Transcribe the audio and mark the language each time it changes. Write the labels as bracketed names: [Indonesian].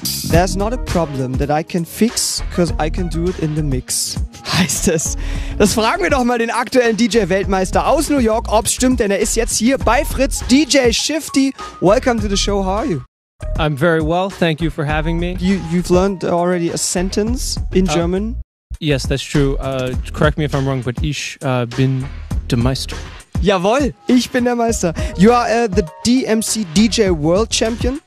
[English] There's not a problem that I can fix, cause I can do it in the mix, [German] heißt es. Das fragen wir doch mal den aktuellen DJ-Weltmeister aus New York, ob's stimmt, denn er ist jetzt hier bei Fritz, DJ Shifty. [English] Welcome to the show, how are you? I'm very well, thank you for having me. You've learned already a sentence in German? Yes, that's true. Correct me if I'm wrong, but [German] ich bin der Meister. Jawohl, ich bin der Meister. [English] You are the DMC DJ World Champion.